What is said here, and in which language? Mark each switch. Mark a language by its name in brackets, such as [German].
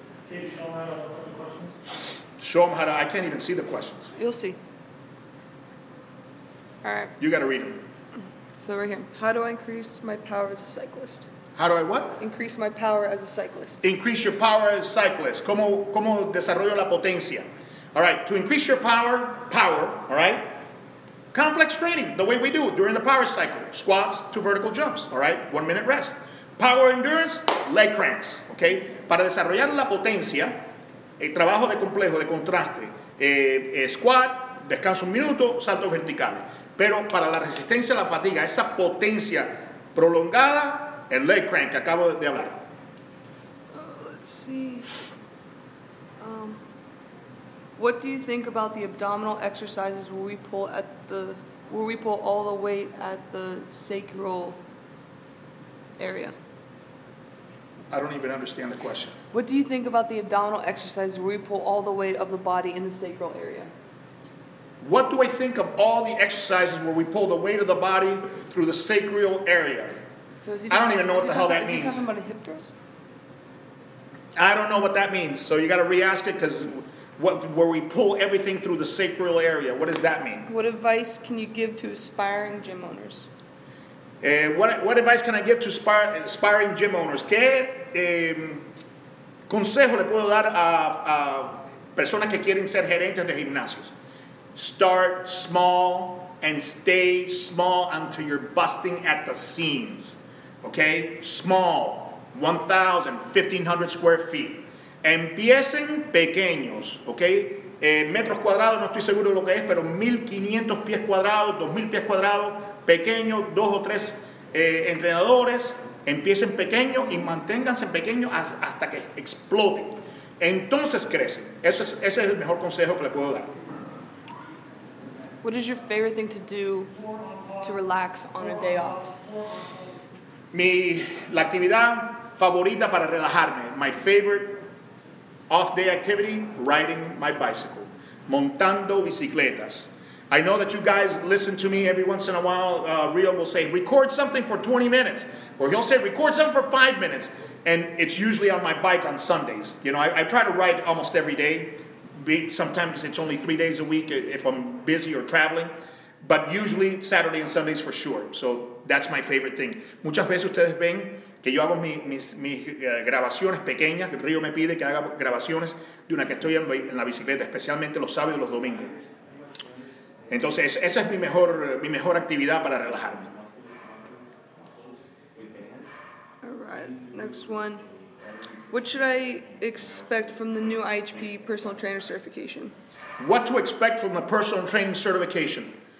[English] Can you show them how to put the questions? Show them how to, I can't even see the questions. You'll see. All right. You got to read them. So right here, how do I increase my power as a cyclist? How do I what? Increase my power as a cyclist. Increase your power as a cyclist. [Spanish] ¿Cómo desarrollo la potencia? [English] All right, to increase your power, all right? Complex training, the way we do during the power cycle. Squats to vertical jumps, all right? 1 minute rest. Power endurance, leg cranks, okay? [Spanish] Para desarrollar la potencia, el trabajo de complejo, de contraste, squat, descanso un minuto, saltos verticales. Pero para la resistencia a la fatiga, esa potencia prolongada, el leg crank que acabo de hablar. [English] Let's see. What do you think about the abdominal exercises where we pull all the weight at the sacral area? I don't even understand the question. What do you think about the abdominal exercises where we pull all the weight of the body in the sacral area? What do I think of all the exercises where we pull the weight of the body through the sacral area? I don't even know what the hell that means. Is he talking about a hip thrust? I don't know what that means. So you got to re-ask it because... Where we pull everything through the sacral area. What does that mean? What advice can you give to aspiring gym owners? What advice can I give to aspiring gym owners? [Spanish] ¿Qué consejo le puedo dar a personas que quieren ser gerentes de gimnasios? [English] Start small and stay small until you're busting at the seams. Okay? Small. 1,000, 1,500 square feet. [Spanish] Empiecen pequeños, ¿ok? Metros cuadrados, no estoy seguro de lo que es, pero 1,500 pies cuadrados, 2,000 pies cuadrados, pequeños, dos o tres entrenadores. Empiecen pequeños y manténganse pequeños hasta que exploten. Entonces crecen. Ese es el mejor consejo que le puedo dar. [English] What is your favorite thing to do to relax on a day off? [Spanish] La actividad favorita para relajarme, [English] my favorite off-day activity, riding my bicycle, [Spanish] montando bicicletas. [English] I know that you guys listen to me every once in a while. Rio will say, record something for 20 minutes. Or he'll say, record something for 5 minutes. And it's usually on my bike on Sundays. You know, I try to ride almost every day. Sometimes it's only 3 days a week if I'm busy or traveling. But usually Saturday and Sundays for sure. So that's my favorite thing. [Spanish] Muchas veces ustedes ven... que yo hago mis grabaciones pequeñas, que Río me pide que haga grabaciones de una que estoy en la bicicleta, especialmente los sábados y los domingos. Entonces, esa es mi mejor actividad para relajarme. [English] All right, next one. What should I expect from the new IHP personal trainer certification? What to expect from the personal training certification?